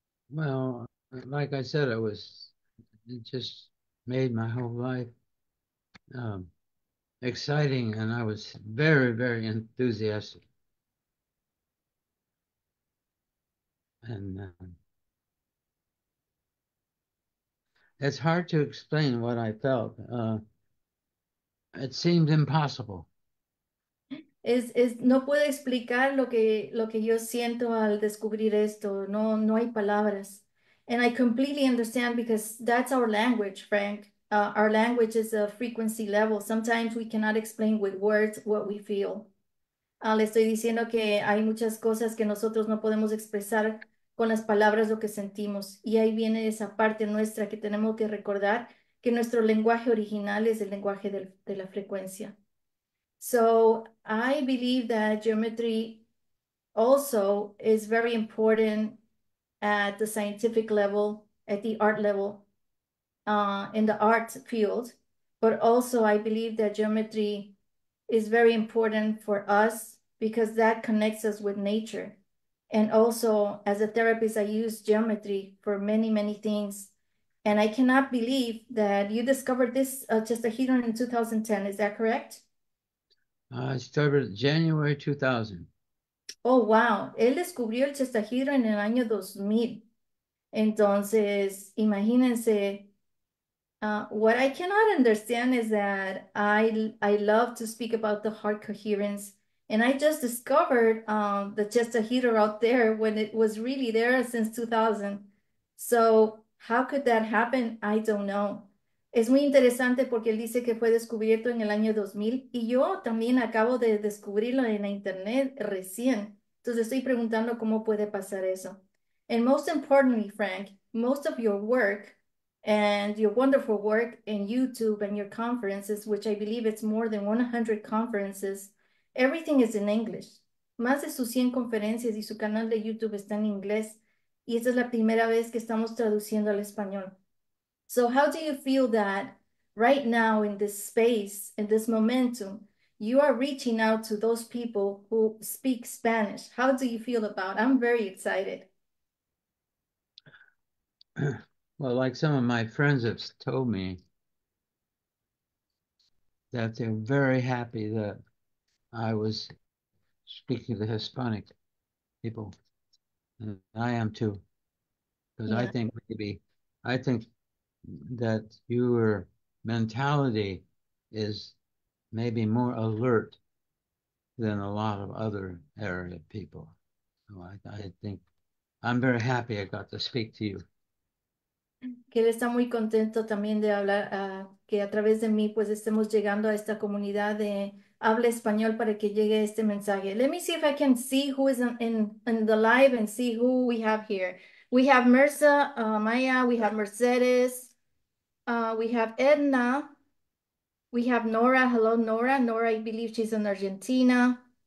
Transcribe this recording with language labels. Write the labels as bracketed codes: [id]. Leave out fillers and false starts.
[en] Well, like I said, it just made my whole life exciting, and I was very, very enthusiastic. And it's hard to explain what I felt. It seemed impossible. [es] Es no puedo explicar lo que yo siento al descubrir esto. No hay palabras. [en] And I completely understand because that's our language, Frank. Our language is a frequency level. Sometimes we cannot explain with words what we feel. [es] Le estoy diciendo que hay muchas cosas que nosotros no podemos expresar con las palabras lo que sentimos. Y ahí viene esa parte nuestra que tenemos que recordar que nuestro lenguaje original es el lenguaje de la frecuencia. [en] So I believe that geometry also is very important at the scientific level, at the art level, in the art field. But also I believe that geometry is very important for us because that connects us with nature. And also as a therapist, I use geometry for many, many things. And I cannot believe that you discovered this chestahedron in 2010. Is that correct? I started January 2000. Oh, wow. [es] Él descubrió el chestahedron en el año 2000. Entonces, imagínense, [en] what I cannot understand is that I love to speak about the heart coherence. And I just discovered the chestahedron out there when it was really there since 2000. So how could that happen? I don't know. [es] Es muy interesante porque él dice que fue descubierto en el año 2000 y yo también acabo de descubrirlo en la internet recién. Entonces estoy preguntando cómo puede pasar eso. [en] And most importantly, Frank, most of your work and your wonderful work in YouTube and your conferences, which I believe it's more than 100 conferences, everything is in English. [es] Más de sus 100 conferencias y su canal de YouTube está en inglés y esta es la primera vez que estamos traduciendo al español. [en] So how do you feel that right now in this space, in this momentum, you are reaching out to those people who speak Spanish? How do you feel about it? I'm very excited. Well, like some of my friends have told me, that they're very happy that I was speaking to the Hispanic people, and I am too, because Yeah. I think that your mentality is maybe more alert than a lot of other Arab people. So I think I'm very happy I got to speak to you. [es] Que él está muy contento también de hablar, que a través de mí pues estemos llegando a esta comunidad de habla español para que llegue este mensaje. [en] Let me see if I can see who is in the live and see who we have here. We have Mirza, Maya, we have Mercedes, we have Edna, We have Nora. Hello, Nora. Nora, I believe she's in Argentina.